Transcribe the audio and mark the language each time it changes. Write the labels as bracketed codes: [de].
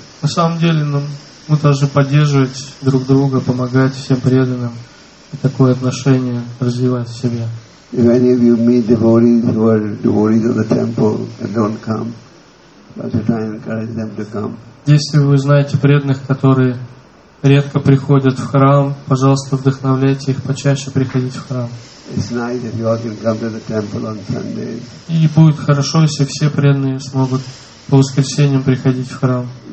[ru] На самом деле, мы должны поддерживать друг друга, помогать всем преданным и такое отношение развивать в себе. [en] If any of you meet devotees who are devotees of the temple and don't come, but you try and encourage them to come. [ru] Если вы знаете преданных, которые редко приходят в храм, пожалуйста, вдохновляйте их почаще приходить в храм. И будет хорошо, если все преданные смогут по воскресеньям приходить в храм.